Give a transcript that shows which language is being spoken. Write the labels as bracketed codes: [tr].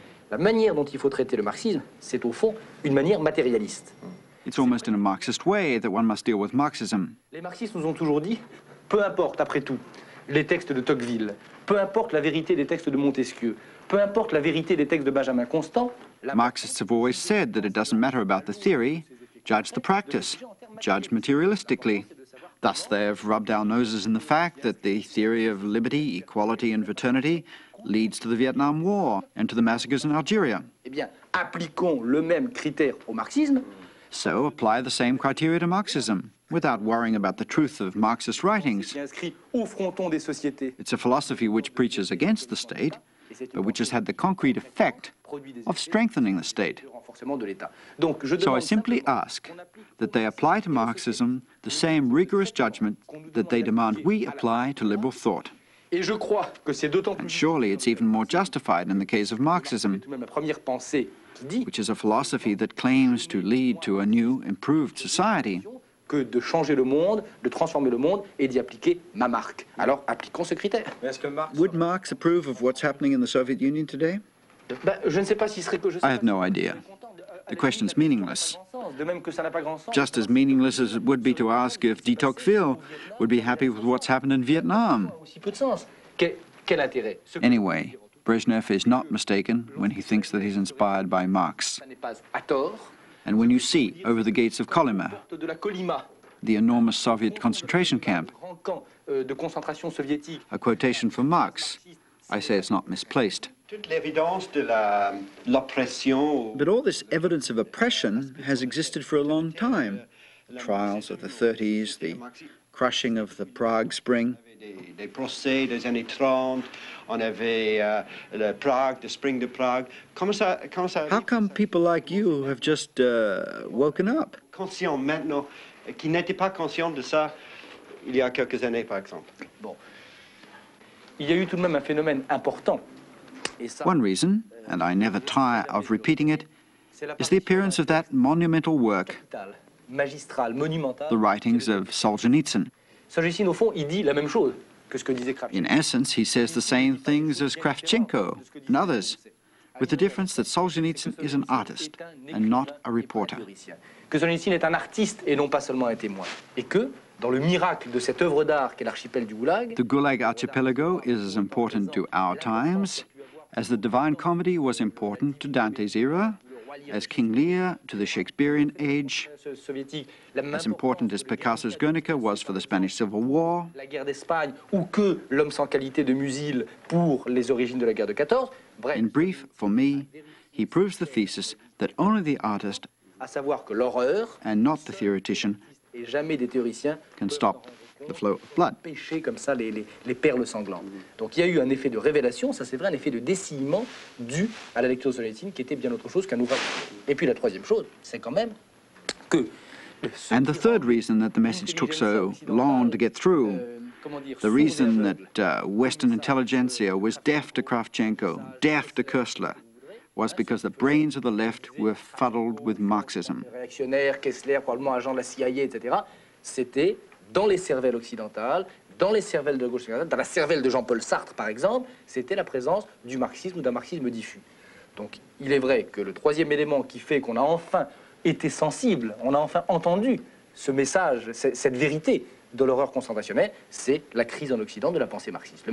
[fr] La manière dont il faut traiter le marxisme, c'est au fond une manière matérialiste. [en] It's almost in a Marxist way that one must deal with Marxism. [fr] Les marxistes nous ont toujours dit, peu importe, après tout, les textes de Tocqueville, peu importe la vérité des textes de Montesquieu, peu importe la vérité des textes de Benjamin Constant... [en] Marxists have always said that it doesn't matter about the theory, judge the practice. Judge materialistically. Thus, they have rubbed our noses in the fact that the theory of liberty, equality, and fraternity leads to the Vietnam War and to the massacres in Algeria. [fr] Eh bien, appliquons le même critère au marxisme. [en] So, apply the same criteria to Marxism, without worrying about the truth of Marxist writings. It's a philosophy which preaches against the state, but which has had the concrete effect of strengthening the state. So I simply ask that they apply to Marxism the same rigorous judgment that they demand we apply to liberal thought. And surely it's even more justified in the case of Marxism, which is a philosophy that claims to lead to a new, improved society. [fr] Que de changer le monde, de transformer le monde et d'y appliquer ma marque. Alors, appliquons ce critère. [en] Would Marx approve of what's happening in the Soviet Union today? [fr] Je ne sais pas s'il serait que je sais. [en] I have no idea. The question's meaningless. Just as meaningless as it would be to ask if de Tocqueville would be happy with what's happened in Vietnam. [fr] Quel intérêt? [en] Anyway, Brezhnev is not mistaken when he thinks that he's inspired by Marx. And when you see, over the gates of Colima, the enormous Soviet concentration camp, a quotation from Marx, I say it's not misplaced. But all this evidence of oppression has existed for a long time. Trials of the 30s, the crushing of the Prague Spring. [fr] Des procès des années 30, on avait le Prague, [en] the Spring [fr] de Prague. Comment ça... [en] How come people like you have just woken up? [fr] Conscient maintenant, qui n'était pas conscient de ça il y a quelques années, par exemple. Bon. Il y a eu tout de même un phénomène important. [en] One reason, and I never tire of repeating it, is the appearance of that monumental work, [fr] magistral, monumental, [en] the writings of Solzhenitsyn. [fr] Solzhenitsyn, au fond, il dit la même chose que ce que disait Kravchenko. [en] In essence, he says the same things as Kravchenko and others, with the difference that Solzhenitsyn is an artist and not a reporter. [fr] Que Solzhenitsyn est un artiste et non pas seulement un témoin. Et que, dans le miracle de cette œuvre d'art qu'est l'archipel du Goulag... [en] The Goulag Archipelago is as important to our times as the Divine Comedy was important to Dante's era, as King Lear to the Shakespearean age, as important as Picasso's Guernica was for the Spanish Civil War, [fr] la guerre d'Espagne ou que l'homme sans qualité de Musil pour les origines de la guerre de 14. Bref, [en] in brief, for me, he proves the thesis that only the artist, [fr] à savoir que l'horreur, [en] and not the theoretician, [fr] et jamais des théoriciens, [en] can stop the flow of blood. [fr] Pêcher comme ça les perles sanglantes. Donc il y a eu un effet de révélation, ça c'est vrai, un effet de dessillement dû à la lecture de Solzhenitsyn qui était bien autre chose qu'un ouvrage. Et puis la troisième chose, c'est quand même que... [en] And the third reason that the message took so long to get through, the reason that Western intelligentsia was deaf to Kravchenko, deaf to Koestler, was because the brains of the left were fuddled with Marxism. [fr] Réactionnaires, Kessler, probablement agents de la CIA, etc. C'était dans les cervelles occidentales, dans les cervelles de gauche occidentale, dans la cervelle de Jean-Paul Sartre, par exemple, c'était la présence du marxisme ou d'un marxisme diffus. Donc, il est vrai que le troisième élément qui fait qu'on a enfin été sensible, on a enfin entendu ce message, cette vérité de l'horreur concentrationnelle, c'est la crise en Occident de la pensée marxiste.